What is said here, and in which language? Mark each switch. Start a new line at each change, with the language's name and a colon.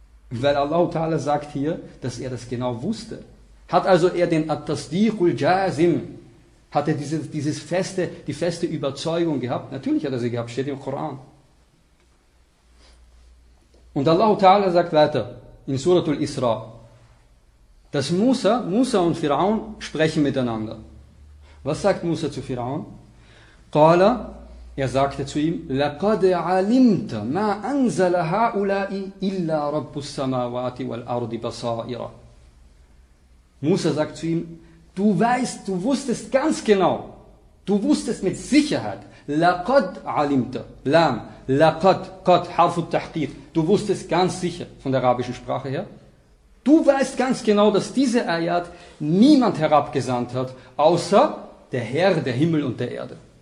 German: Weil Allah Ta'ala sagt hier, dass er das genau wusste. Hat also er den At-Tasdiqul Jazim, hat er die feste Überzeugung gehabt? Natürlich hat er sie gehabt, steht im Koran. Und Allah Ta'ala sagt weiter in Surat al-Isra, dass Musa und Firaun sprechen miteinander. Was sagt Musa zu Firaun?
Arabic: Qala,
German: er sagte zu ihm,
Arabic: لَقَدْ عَلِمْتَ مَا أَنْزَلَ هَاُولَاءِ إِلَّا رَبُّ السَّمَاوَاتِ وَالْأَرْضِ بَصَائِرَ.
German: Musa sagt zu ihm, du weißt, du wusstest ganz genau, du wusstest mit Sicherheit,
Arabic: لَقَدْ عَلِمْتَ لَمْ لَقَدْ قَدْ حَرْفُ التَّحْقِيقِ,
German: du wusstest ganz sicher, von der arabischen Sprache her, du weißt ganz genau, dass diese Ayat niemand herabgesandt hat, außer der Herr der Himmel und der Erde.